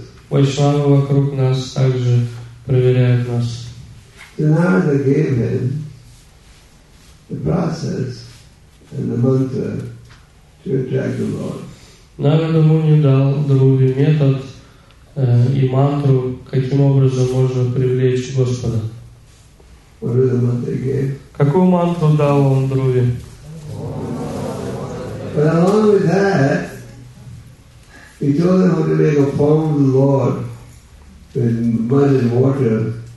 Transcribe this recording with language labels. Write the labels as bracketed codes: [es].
[ru] Вайшнавы вокруг нас также проверяют нас. [en] So Narada gave him the process and the mantra to attract the Lord. [ru] Narada Muni дал Друве метод и мантру, каким образом можно привлечь Господа. [en] What was the mantra he gave? [ru] Какую мантру дал он Друве? [en] But along with that, he told him how to make a form of the Lord with mud and water.